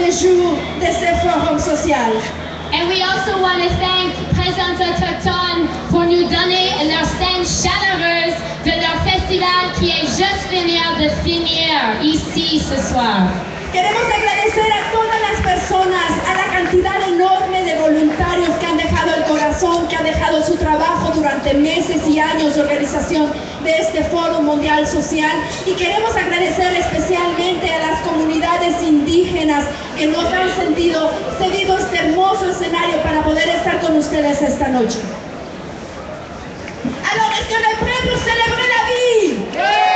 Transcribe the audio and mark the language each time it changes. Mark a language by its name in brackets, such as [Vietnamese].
[English] we also want to thank [French] Présence Autochtone pour nous donner leur scène chaleureuse de leur festival qui est juste venu de finir ici ce soir. [Spanish] Queremos agradecer a todas las personas, a la cantidad enorme de voluntarios que han dejado el corazón, que han dejado su trabajo durante meses y años de organización de este Foro Mundial Social. Y queremos agradecer especialmente a las comunidades indígenas que nos han cedido este hermoso escenario para poder estar con ustedes esta noche. [French] ¡Alors, est-ce que le peuple célèbre la vie!